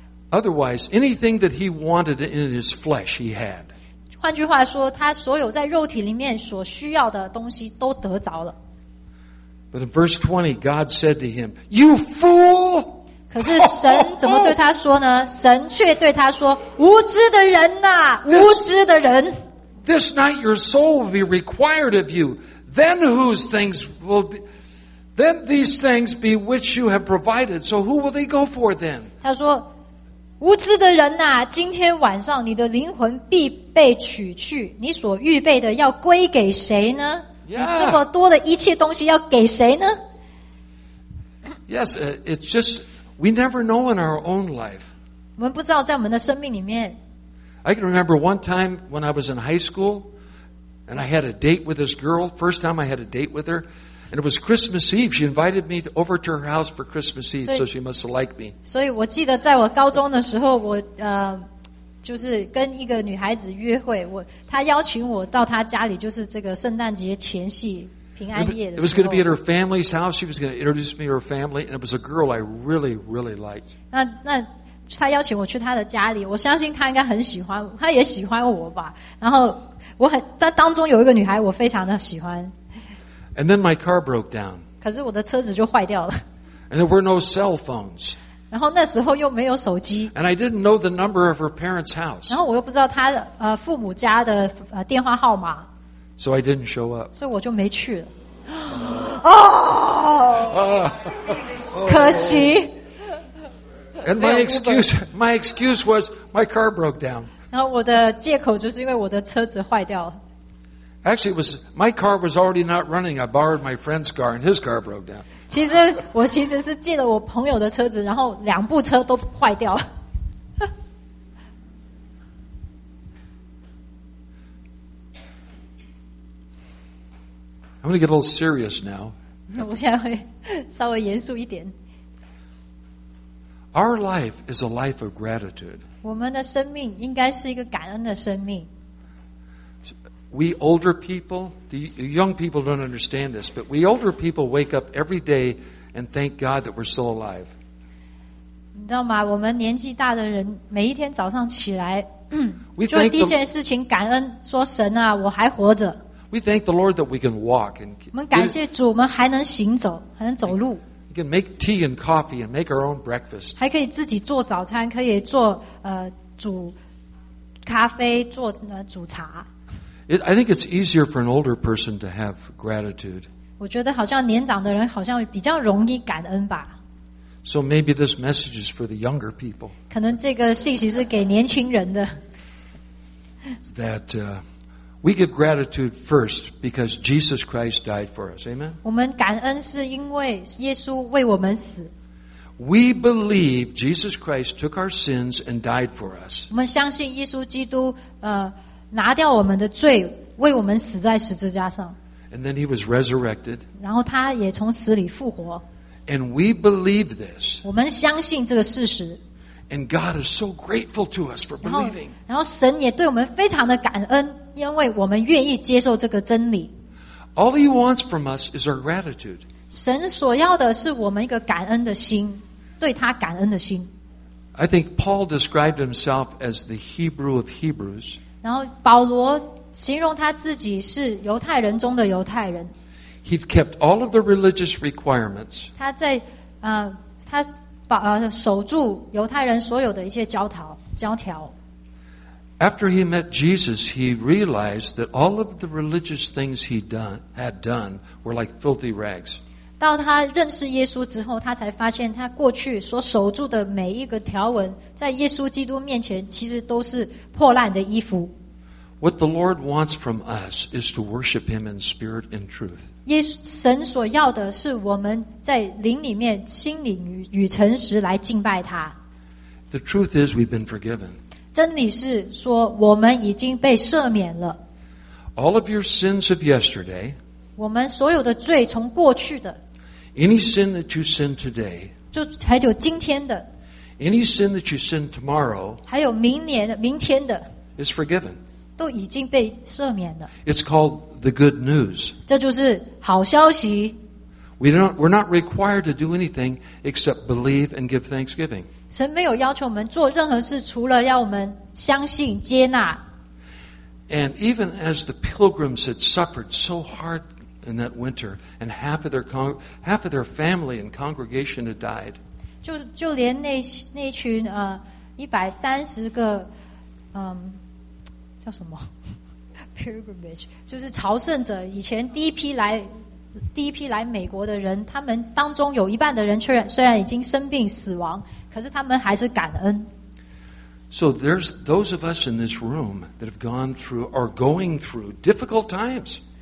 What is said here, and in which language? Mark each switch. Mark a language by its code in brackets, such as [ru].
[en] Otherwise, anything that he wanted in his flesh, he had. [zh] 换句话说，他所有在肉体里面所需要的东西都得着了。 [en] But in verse 20, God said to him, "You fool!" [zh] 可是神怎么对他说呢？神却对他说：“无知的人呐，无知的人。” [en] This night your soul will be required of you. Then whose things will be, then these things be which you have provided. So who will they go for then? [zh] 他说，无知的人啊，今天晚上你的灵魂必被取去，你所预备的要归给谁呢？ [en] Yeah. [zh] 这么多的一切东西要给谁呢？ [en] Yes, it's just, we never know in our own life. [zh] 我们不知道在我们的生命里面。 [en] I can remember one time when I was in high school and I had a date with this girl, first time I had a date with her, and it was Christmas Eve. She invited me over to her house for Christmas Eve, so she must have liked me. [zh] 所以我记得在我高中的时候我就是跟一个女孩子约会，我她邀请我到她家里，就是这个圣诞节前夕平安夜的时候。 [en] It was going to be at her family's house. She was going to introduce me to her family, and it was a girl I really, really liked. [zh] 那他邀请我去他的家里，我相信他应该很喜欢，他也喜欢我吧。然后我很在当中有一个女孩，我非常的喜欢。 [en] And then my car broke down. [zh] 可是我的车子就坏掉了。 [en] And there were no cell phones. [zh] 然后那时候又没有手机。 [en] And I didn't know the number of her parents' house. [zh] 然后我又不知道他父母家的电话号码。 [en] So I didn't show up. [zh] 所以我就没去了。哦，可惜。 [en] And my excuse was my car broke down. [zh] 然后我的借口就是因为我的车子坏掉了。 [en] Actually, it was my car was already not running. I borrowed my friend's car, and his car broke down. [zh] 其实我其实是借了我朋友的车子，然后两部车都坏掉了。 [en] I'm going to get a little serious now. [zh] 我现在会稍微严肃一点。 [en] Our life is a life of gratitude. [zh] 我们的生命应该是一个感恩的生命。 [en] We older people, the young people don't understand this, but we older people wake up every day and thank God that we're still alive. [zh] 你知道吗？我们年纪大的人每一天早上起来，就第一件事情感恩，说神啊，我还活着。 [en] We thank the Lord that we can walk. [zh] 我们感谢主，我们还能行走，还能走路。 [en] Can make tea and coffee and make our own breakfast. [zh] 还可以自己做早餐，可以做煮咖啡，做煮茶。 [en] I think it's easier for an older person to have gratitude. [zh] 我觉得好像年长的人好像比较容易感恩吧。 [en] So maybe this message is for the younger people. [zh] 可能这个信息是给年轻人的。 [en] That we give gratitude first because Jesus Christ died for us. Amen? [zh] 我们感恩是因为耶稣为我们死。 [en] We believe Jesus Christ took our sins and died for us. [zh] 我们相信耶稣基督拿掉我们的罪，为我们死在十字架上。 [en] And then he was resurrected. [zh] 然后他也从死里复活。 [en] And we believe this. [zh] 我们相信这个事实。 [en] And God is so grateful to us for believing. [zh] 然后神也对我们非常的感恩。因为我们愿意接受这个真理。 [en] All he wants from us is our gratitude. [zh] 神所要的是我们一个感恩的心，对他感恩的心。 [en] I think Paul described himself as the Hebrew of Hebrews. [zh] 然后保罗形容他自己是犹太人中的犹太人。 [en] He'd kept all of the religious requirements. [zh] 他在他守住犹太人所有的一切教条。 [en] After he met Jesus, he realized that all of the religious things he had done were like filthy rags. [zh] 到他认识耶稣之后，他才发现他过去所守住的每一个条文，在耶稣基督面前其实都是破烂的衣服。 [en] What the Lord wants from us is to worship Him in spirit and truth. [zh] 神所要的是我们在灵里面、心里与诚实来敬拜他。 [en] The truth is, we've been forgiven. [zh] 真理是说我们已经被赦免了。 [en] All of your sins of yesterday, [zh] 我们所有的罪从过去的。 [en] Any sin that you sin today, [zh] 就还有今天的。 [en] Any sin that you sin tomorrow, [zh] 还有明天的。 [en] Is forgiven. [zh] 都已经被赦免了。 [en] It's called the good news. [zh] 这就是好消息。 [en] We're not required to do anything except believe and give thanksgiving. [zh] 神没有要求我们做任何事，除了要我们相信、接纳。 [en] And even as the pilgrims had suffered so hard in that winter, and half of their family and congregation had died, [zh] 就连那群130个叫什么 pilgrimage， 就是朝圣者，以前第一批来美国的人，他们当中有一半的人虽然已经生病死亡。可是他们还是感恩。 [en] So there's those of us in this room that have gone through or going through difficult times.